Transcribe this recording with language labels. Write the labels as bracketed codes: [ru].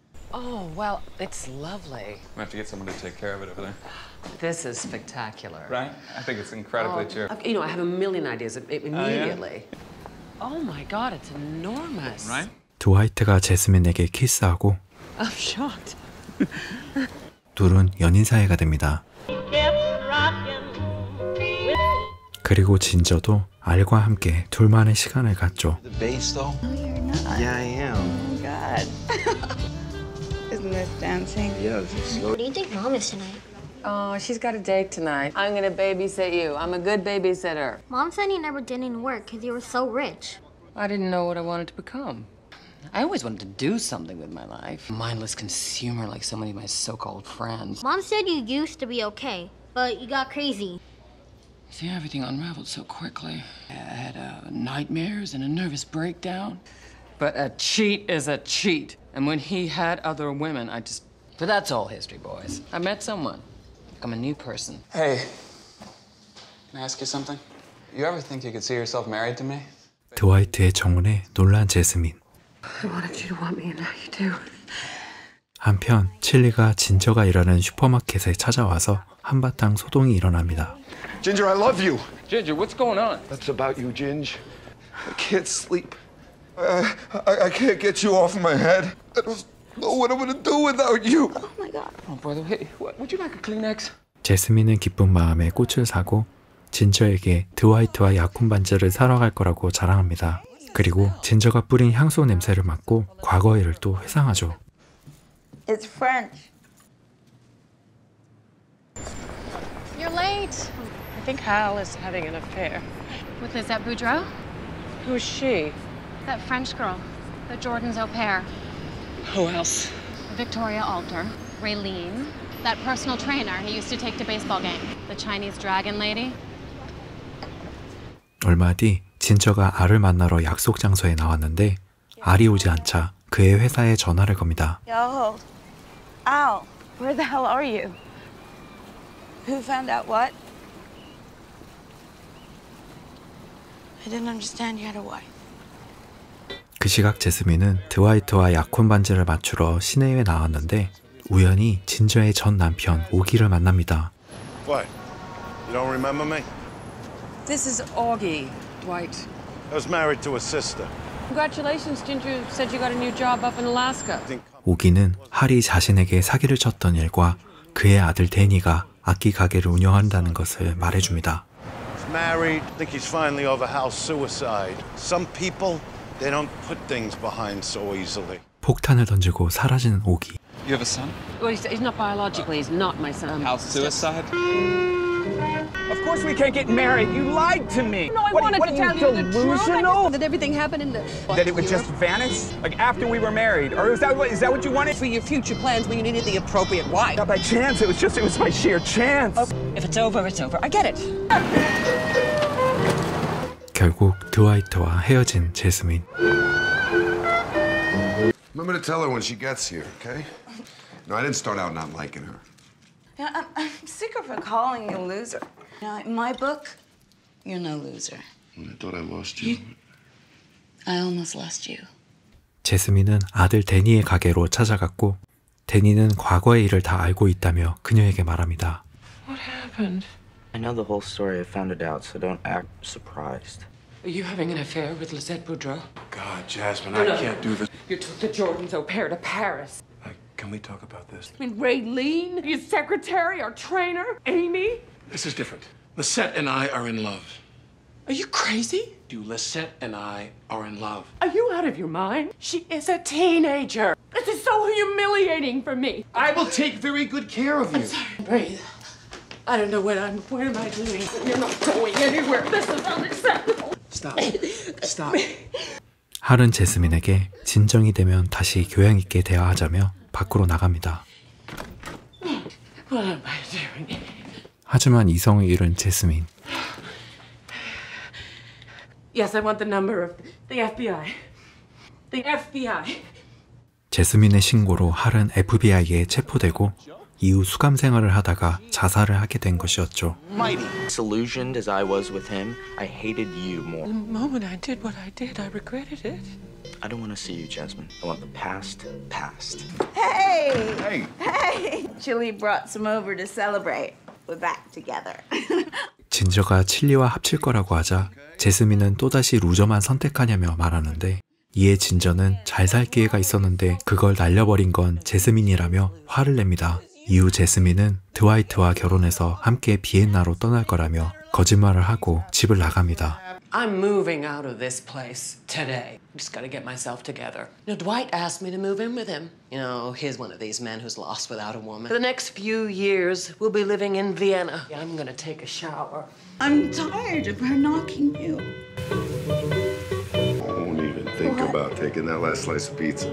[en] Oh, well, it's lovely. We have to get someone to take care of it over there. This is spectacular. Right? I think it's incredibly cheerful. You know, I have a million ideas immediately. Oh, my God, it's enormous. Right? [ko] 드와이트가 제스민에게 키스하고 [en] I'm shocked. [ko] 둘은 연인 사이가 됩니다. 그리고 진저도 알과 함께 둘만의 시간을 갖죠. [en] The bass though? No, you're not. Yeah, I am. Oh, God. Isn't this dancing? Yeah, it's slow. What do you think mom is tonight? Oh, she's got a date tonight. I'm gonna babysit you. I'm a good babysitter. Mom said you never did any work because you were so rich. I didn't know what I wanted to become. I always wanted to do something with my life. Mindless consumer like so many of my so-called friends. Mom said you used to be okay, but you got crazy. See, everything unraveled so quickly. I had nightmares and a nervous breakdown. But a cheat is a cheat. And when he had other women, I just... But that's all history, boys. I met someone. I'm a new person. Hey, can I ask you something? You ever think you could see yourself married to me? [ko] 드와이트의 정원에 놀란 제스민. [en] I wanted you to want me and now you do. [ko] 한편, 칠리가 진저가 일하는 슈퍼마켓에 찾아와서 한바탕 소동이 일어납니다. [en] Ginger, I love you. Ginger, what's going on? That's about you, Ginge. I can't sleep. I can't get you off my head. I don't know what I'm gonna do without you. Oh my God. Oh, brother, hey, would you like a Kleenex? [ko] 제스민은 기쁜 마음에 꽃을 사고 진저에게 드와이트와 약혼 반지를 사러 갈 거라고 자랑합니다. 그리고 진저가 뿌린 향수 냄새를 맡고 과거 일을 또 회상하죠. [en] It's French. You're late. I think Hal is having an affair. With Lisette Boudreau? Who's she? That French girl. The Jordan's au pair. Who else? Victoria Alter. Raylene. That personal trainer he used to take to baseball game. The Chinese dragon lady. [ko] 얼마 뒤 진저가 R을 만나러 약속 장소에 나왔는데 R이 오지 않자 그의 회사에 전화를 겁니다. [en] Yo. Al. Where the hell are you? Who found out what? I didn't understand you had a wife. [ko] 그 시각 제스민은 드와이트와 약혼 반지를 맞추러 시내에 나왔는데 우연히 진저의 전 남편 오기를 만납니다. [en] What? You don't remember me? This is Augie, Dwight. I was married to a sister. Congratulations, Ginger said you got a new job up in Alaska. [ko] 오기는 할이 자신에게 사기를 쳤던 일과 그의 아들 데니가 악기 가게를 운영한다는 것을 말해줍니다. [en] He's married. I think he's finally over house suicide. Some people, they don't put things behind so easily. [ko] 폭탄을 던지고 사라지는 오기. [en] You have a son? Well, he's not biologically. He's not my son. House suicide? Of course we can't get married. You lied to me. No, I wanted to tell you the truth. Delusional? That everything happened in the... That it would just vanish? Like, after we were married? Or is that what you wanted? For your future plans when you needed the appropriate wife. Not by chance. It was my sheer chance. If it's over, it's over. I get it. [ko] 결국 드와이트와 헤어진 제스민. [en] Remember to tell her when she gets here, okay? No, I didn't start out not liking her. Yeah, I'm sick of her calling you a loser. You know, in my book, you're no loser. I thought I lost you. I almost lost you. [ko] 제스민은 아들 데니의 가게로 찾아갔고, 데니는 과거의 일을 다 알고 있다며 그녀에게 말합니다. [en] What happened? I know the whole story. I found it out, so don't act surprised. Are you having an affair with Lisette Boudreaux? God, Jasmine, no, I can't do this. You took the Jordans au pair to Paris. Can we talk about this? I mean, Raylene, your secretary, our trainer, Amy. This is different. Lisette and I are in love. Are you crazy? Do Lisette and I are in love. Are you out of your mind? She is a teenager. This is so humiliating for me. I will take very good care of you. I'm sorry, breathe. I don't know what I'm... What am I doing? You're not going anywhere. This is unacceptable. Stop. Stop. [ko] 할은 제스민에게 진정이 되면 다시 교양 있게 대화하자며 밖으로 나갑니다. 하지만 이성을 잃은 제스민. [en] Yes, I want the number of the FBI. The FBI. [ko] 제스민의 신고로 할은 FBI에 체포되고 이후 수감 생활을 하다가 자살을 하게 된 것이었죠. [en] Mighty disillusioned as I was with him, I hated you more. The moment I did what I did, I regretted it. I don't want to see you, Jasmine. I want the past, past. Hey! Hey! Hey! Chili brought some over to celebrate. We're back together. [ko] 진저가 칠리와 합칠 거라고 하자 제스민은 또다시 루저만 선택하냐며 말하는데 이에 진저는 잘 살 기회가 있었는데 그걸 날려버린 건 제스민이라며 화를 냅니다. 이후 제스민은 드와이트와 결혼해서 함께 비엔나로 떠날 거라며 거짓말을 하고 집을 나갑니다. [en] I'm moving out of this place today. Just gotta get myself together. You know, Dwight asked me to move in with him. You know, he's one of these men who's lost without a woman. For the next few years, we'll be living in Vienna. Yeah, I'm gonna take a shower. I'm tired of her knocking you. I won't even think What? About taking that last slice of pizza.